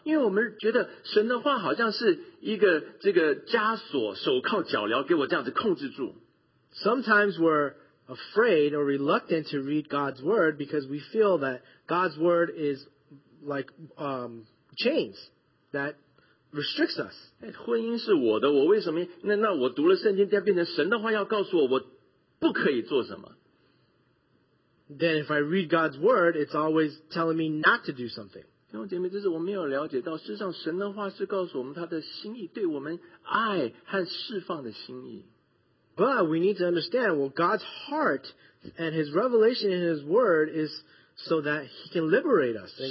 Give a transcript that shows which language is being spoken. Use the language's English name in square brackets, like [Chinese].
[Chinese] 我们有的时候觉得神的话，我们不敢去读神的话，或不愿意去读神的话，因为我们觉得神的话好像是一个这个枷锁，手铐脚镣，给我这样子控制住。 [English] Sometimes we're afraid or reluctant to read God's word because we feel that God's word is like chains that restricts us. [Chinese] 婚姻是我的，我为什么？那我读了圣经，变成神的话要告诉我，我不可以做什么。Then [English] if I read God's word, it's always telling me not to do something. [Chinese] 弟兄姐妹，这是我没有了解到，事实上神的话是告诉我们他的心意，对我们爱和释放的心意。 [English] But we need to understand, well, God's heart and His revelation in His Word is so that He can liberate us and